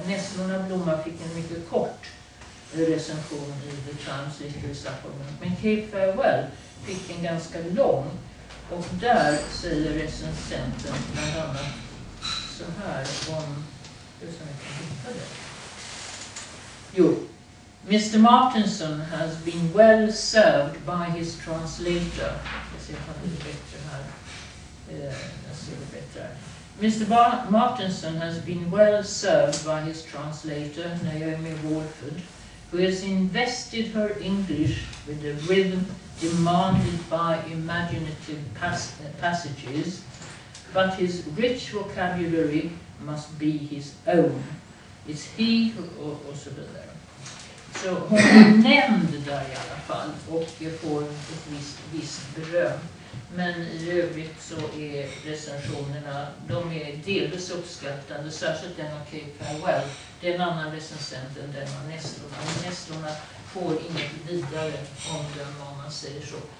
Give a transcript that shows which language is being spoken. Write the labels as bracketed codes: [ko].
[sv] Mästarna Blomma fick en mycket kort recension i The Times Literary Supplement. Men Cape Farewell fick en ganska lång och där säger recensenten bland annat så här om hur som jag kan hitta det. Jo, Mr. [en] Martinson has been well served by his translator. [sv] Jag ser om det är bättre här. Jag ser det bättre här. Mr. [en] Martinson has been well served by his translator Naomi Walford, who has invested her English with the rhythm demanded by imaginative passages, but his rich vocabulary must be his own. It's he who also be there. [sv] Så hon nämnde där i alla fall och jag får ett visst beröm. Men i övrigt så är recensionerna, de är delvis uppskattande, särskilt den av Cape Farewell. Det är en annan recensent än den av Nestorna. Nestorna får inget vidare om den, om man säger så.